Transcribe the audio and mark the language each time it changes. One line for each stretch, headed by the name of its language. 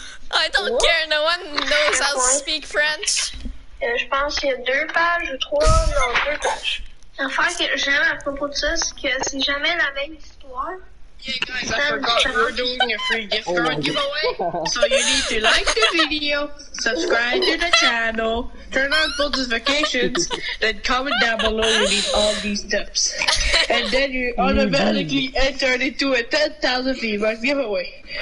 English: I don't care, no one knows how to speak French.
French: Je pense qu'il y a deux pages ou trois, genre deux pages. L'affaire que j'aime à propos de ça, c'est que c'est jamais la même histoire.
English: Yeah, guys, I forgot we're doing a free gift card giveaway. So you need to like the video, subscribe to the channel, turn on post notifications, then comment down below. You need all these tips, and then you automatically enter into a 10,000 V-Bucks giveaway.